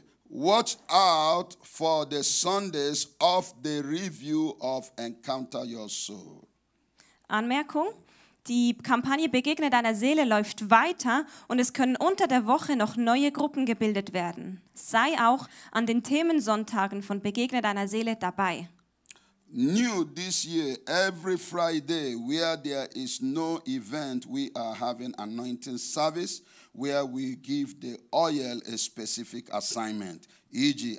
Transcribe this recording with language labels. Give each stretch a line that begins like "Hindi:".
English: Watch out for the Sundays of the review of Encounter Your Soul.
German: Anmerkung: Die Kampagne Begegne deiner Seele läuft weiter und es können unter der Woche noch neue Gruppen gebildet werden. Sei auch an den Themensonntagen von Begegne deiner Seele dabei.
English: New this year, every Friday, where there is no event, we are having anointing service, where we give the oil a specific assignment, e.g.